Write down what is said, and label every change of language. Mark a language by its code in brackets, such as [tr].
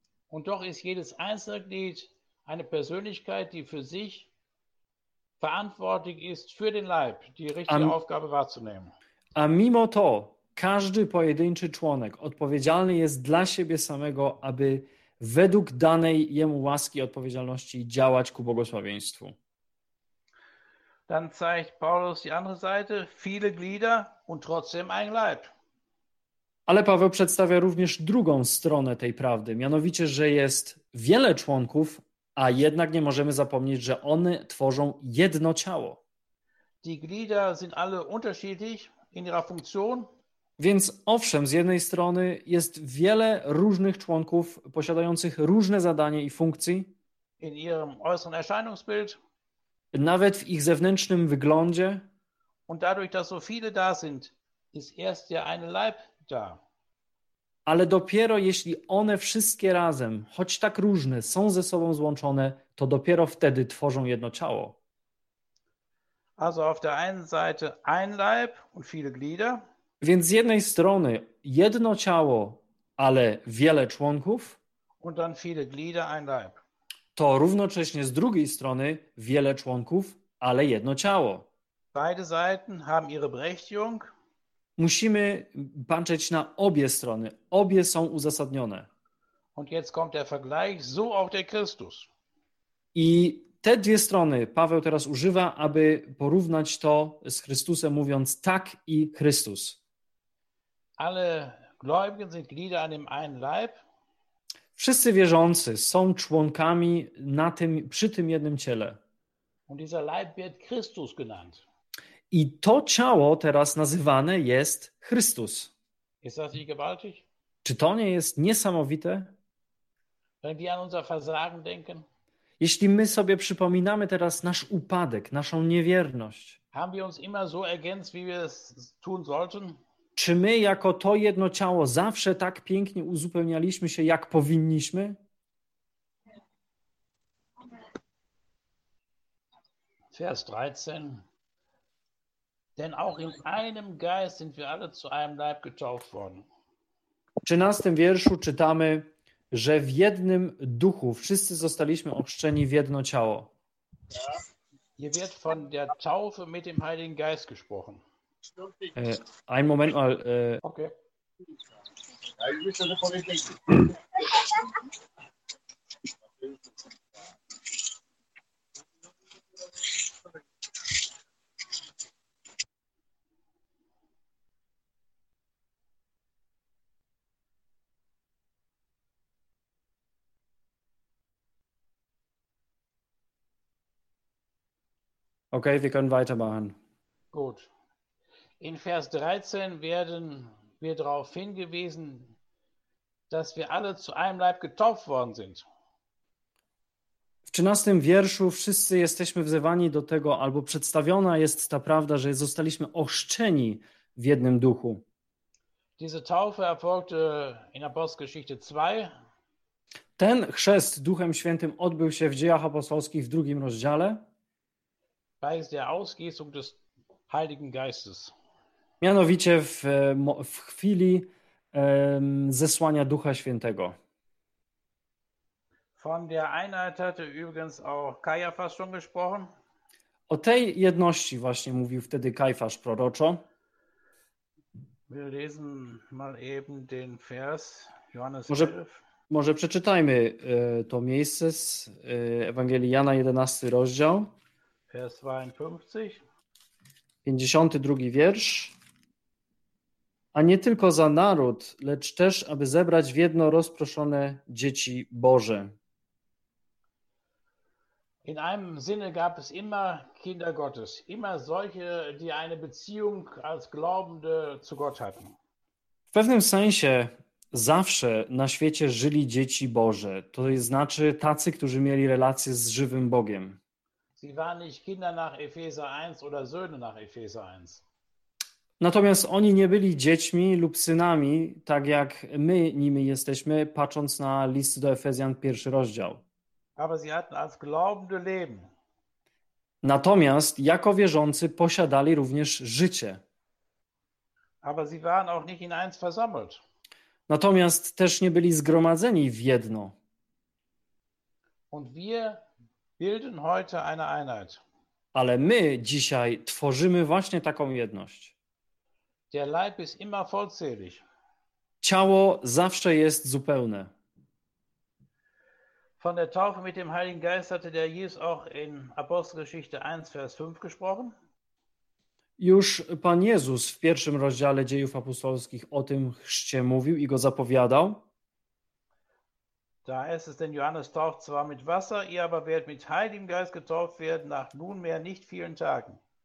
[de] Und doch ist jedes einzelne Glied eine Persönlichkeit, die für sich verantwortlich ist für den Leib, die richtige Aufgabe wahrzunehmen. [pl] A mimo to, każdy pojedynczy członek odpowiedzialny jest dla siebie samego, aby według danej jemu łaski odpowiedzialności działać ku błogosławieństwu. [de] Dann zeigt Paulus die andere Seite, viele Glieder und trotzdem ein Leib. [pl] Ale Paweł przedstawia również drugą stronę tej prawdy, mianowicie, że jest wiele członków, a jednak nie możemy zapomnieć, że one tworzą jedno ciało. [de] Die Glieder sind alle unterschiedlich in ihrer Funktion. [pl] Więc owszem, z jednej strony jest wiele różnych członków posiadających różne zadanie i funkcje. [de] In ihrem äußeren Erscheinungsbild. [pl] Nawet w ich zewnętrznym wyglądzie. [de] Und dadurch, dass so viele da sind, ist erst ja ein Leib da. [pl] Ale dopiero jeśli one wszystkie razem, choć tak różne, są ze sobą złączone, to dopiero wtedy tworzą jedno ciało. [de] Also auf der einen Seite ein Leib und viele Glieder. [pl] Więc z jednej strony jedno ciało, ale wiele członków. [de] Und dann viele Glieder, ein Leib. [pl] To równocześnie z drugiej strony wiele członków, ale jedno ciało. [de] Beide Seiten haben ihre Berechtigung. [pl] Musimy patrzeć na obie strony. Obie są uzasadnione. [de] Und jetzt kommt der Vergleich, so auch der Christus. [pl] I te dwie strony Paweł teraz używa, aby porównać to z Chrystusem, mówiąc tak i Chrystus. [de] Alle Gläubigen sind Glieder an dem einen Leib. [pl] Wszyscy wierzący są członkami na tym, przy tym jednym ciele. [de] Und dieser Leib wird Christus genannt. [pl] I to ciało teraz nazywane jest Chrystus. [de] Ist das nicht gewaltig? [pl] Czy to nie jest niesamowite? [de] Wenn wir an unser Versagen denken, [pl] jeśli my sobie przypominamy teraz nasz upadek, naszą niewierność, [de] haben wir uns immer so ergänzt, wie wir es tun sollten? [pl] Czy my jako to jedno ciało zawsze tak pięknie uzupełnialiśmy się, jak powinniśmy? [de] Vers 13. Denn auch in einem Geist sind wir alle zu einem Leib getauft worden. [pl] W 13. wierszu czytamy, że w jednym duchu wszyscy zostaliśmy ochrzczeni w jedno ciało. [de] Ja. Hier wird von der Taufe mit dem Heiligen Geist gesprochen. Ein Moment mal. Okay, wir können weitermachen. Gut. In Vers 13 werden wir darauf hingewiesen, dass wir alle zu einem Leib getauft worden sind. [pl] W 13 wierszu wszyscy jesteśmy wzywani do tego, albo przedstawiona jest ta prawda, że zostaliśmy ochrzczeni w jednym duchu. [de] Diese Taufe erfolgte in Apostelgeschichte 2. [pl] Ten chrzest Duchem Świętym odbył się w Dziejach Apostolskich w 2 rozdziale. [de] Bei der Ausgießung des Heiligen Geistes. [pl] Mianowicie w chwili zesłania Ducha Świętego. [de] Von der Einheit hatte übrigens auch Kajafas schon gesprochen. [pl] O tej jedności właśnie mówił wtedy Kajfasz proroczo. [de] Wir lesen mal eben den Vers Johannes 11. [pl] Może przeczytajmy to miejsce z Ewangelii Jana 11 rozdział. [de] Vers 52. [pl] 52 wiersz. A nie tylko za naród, lecz też, aby zebrać w jedno rozproszone dzieci Boże. [de] In einem Sinne gab es immer Kinder Gottes, immer solche, die eine Beziehung als Glaubende zu Gott hatten. [pl] W pewnym sensie zawsze na świecie żyli dzieci Boże, to znaczy tacy, którzy mieli relacje z żywym Bogiem. [de] Sie waren nicht Kinder nach Epheser 1 oder Söhne nach Epheser 1. [pl] Natomiast oni nie byli dziećmi lub synami, tak jak my nimi jesteśmy, patrząc na list do Efezjan, pierwszy rozdział. [de] Aber sie hatten als glaubende Leben. [pl] Natomiast jako wierzący posiadali również życie. [de] Aber sie waren auch nicht in eins versammelt. [pl] Natomiast też nie byli zgromadzeni w jedno. [de] Und wir bilden heute eine Einheit. [pl] Ale my dzisiaj tworzymy właśnie taką jedność. [de] Der Leib ist immer vollzählig. [pl] Ciało zawsze jest zupełne. [de] Von der Taufe mit dem Heiligen Geist hatte der Jesus auch in Apostelgeschichte 1, Vers 5 gesprochen. [pl] Już Pan Jezus w pierwszym rozdziale Dziejów Apostolskich o tym chrzcie mówił i go zapowiadał. [de] Da heißt es, denn Johannes taucht zwar mit Wasser, ihr aber werdet mit Heiligem Geist getauft werden nach nunmehr nicht vielen Tagen.